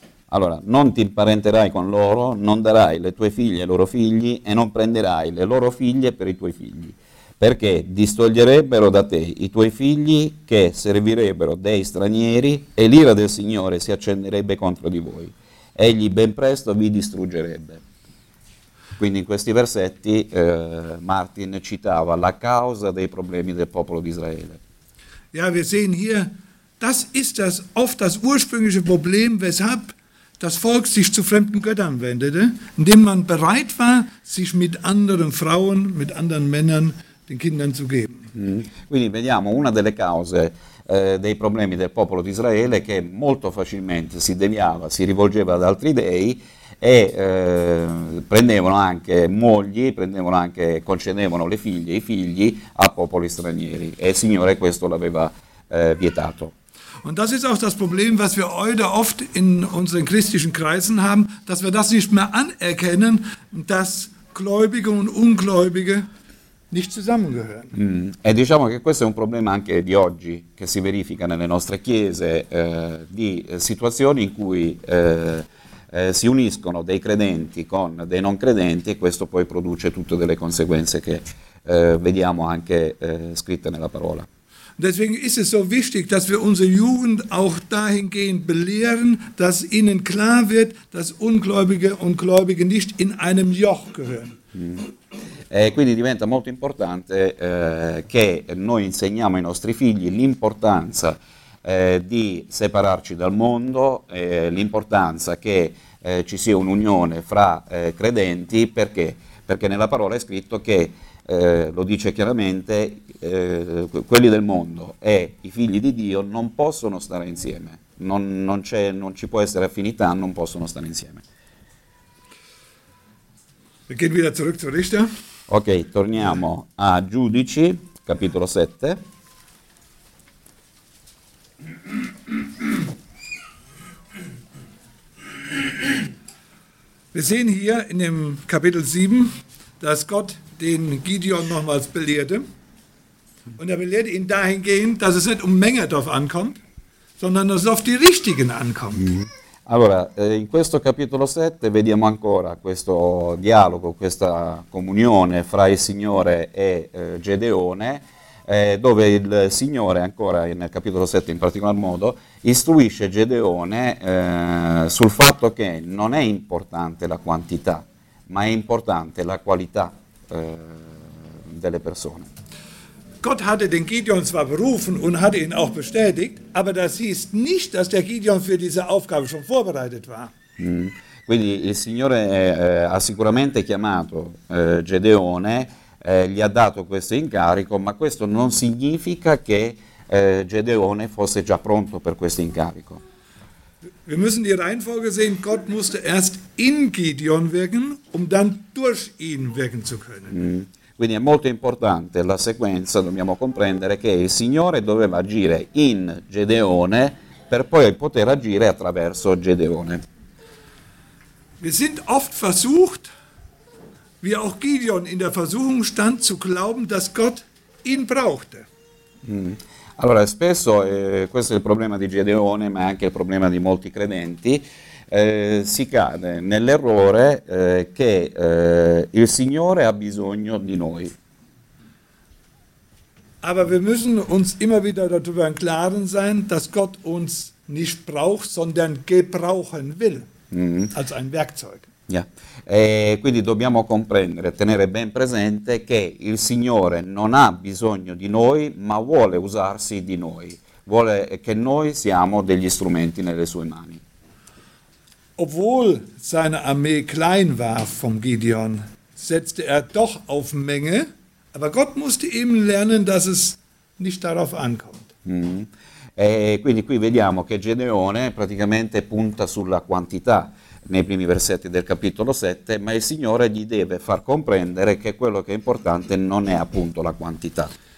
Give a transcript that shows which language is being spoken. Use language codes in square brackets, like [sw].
[it] Allora, non ti imparenterai con loro, non darai le tue figlie ai loro figli e non prenderai le loro figlie per i tuoi figli, perché distoglierebbero da te i tuoi figli che servirebbero dei stranieri e l'ira del Signore si accenderebbe contro di voi. Egli ben presto vi distruggerebbe. Quindi in questi versetti Martin citava la causa dei problemi del popolo di Israele. [de] Ja, wir sehen hier, Das ist das oft das ursprüngliche Problem, weshalb das Volk sich zu fremden Göttern wendete, indem man bereit war, sich mit anderen Frauen, mit anderen Männern, den Kindern zu geben. [it] Quindi vediamo una delle cause dei problemi del popolo di Israele che molto facilmente si deviava, si rivolgeva ad altri dei e prendevano anche mogli, prendevano anche, concedevano le figlie e i figli a popoli stranieri e il Signore questo l'aveva vietato. [de] Und das ist auch das Problem, was wir heute oft in unseren christlichen Kreisen haben, dass wir das nicht mehr anerkennen, dass Gläubige und Ungläubige nicht zusammengehören. [it] E diciamo che questo è un problema anche di oggi, che si verifica nelle nostre chiese, di situazioni in cui si uniscono dei credenti con dei non credenti e questo poi produce tutte delle conseguenze che vediamo anche scritte nella parola. [de] Deswegen ist es so wichtig, dass wir unsere Jugend auch dahingehend belehren, dass ihnen klar wird, dass Ungläubige und Gläubige nicht in einem Joch gehören. [it] Quindi diventa molto importante che noi insegniamo ai nostri figli l'importanza di separarci dal mondo, l'importanza che ci sia un'unione fra credenti, perché? Perché nella parola è scritto che lo dice chiaramente quelli del mondo e i figli di Dio non possono stare insieme, non ci può essere affinità, non possono stare insieme. [de] Gehen wieder zurück zu Richter. [it] Ok, torniamo a Giudici, capitolo 7. [de] Wir sehen hier in dem Kapitel 7, dass Gott den Gideon nochmals belehrte. Und er belehrte ihn dahingehend, dass es nicht um Menge drauf ankommt, sondern dass es auf die Richtigen ankommt. [it] Allora, in questo capitolo 7 vediamo ancora questo dialogo, questa comunione fra il Signore e Gedeone, dove il Signore, ancora nel capitolo 7 in particolar modo, istruisce Gedeone sul fatto che non è importante la quantità, ma è importante la qualità delle persone. [de] Gott hatte den Gideon zwar berufen und hatte ihn auch bestätigt, aber das hieß nicht, dass der Gideon für diese Aufgabe schon vorbereitet war. [it] Quindi il Signore ha sicuramente chiamato Gedeone, gli ha dato questo incarico, ma questo non significa che Gedeone fosse già pronto per questo incarico. [de] Wir müssen die Reihenfolge sehen, Gott musste erst in Gideon wirken, um dann durch ihn wirken zu können. [it] Quindi è molto importante la sequenza, dobbiamo comprendere che il Signore doveva agire in Gedeone per poi poter agire attraverso Gedeone. [de] Wir sind oft versucht, wie auch Gideon in der Versuchung stand, zu glauben, dass Gott ihn brauchte. [it] Allora, spesso, questo è il problema di Gedeone, ma è anche il problema di molti credenti, si cade nell'errore che il Signore ha bisogno di noi. [de] Aber wir müssen uns immer wieder darüber im Klaren sein, dass Gott uns nicht braucht, sondern gebrauchen will, als ein Werkzeug. Ja. [it] Quindi dobbiamo comprendere, tenere ben presente che il Signore non ha bisogno di noi, ma vuole usarsi di noi, vuole che noi siamo degli strumenti nelle sue mani. [de] Obwohl seine Armee klein war vom Gideon, setzte er doch auf Menge, aber Gott musste ihm lernen, dass es nicht darauf ankommt. [it] Quindi qui vediamo che Gedeone praticamente punta sulla quantità nei primi versetti del capitolo 7, ma il Signore gli deve far comprendere che quello che è importante non è appunto la quantità.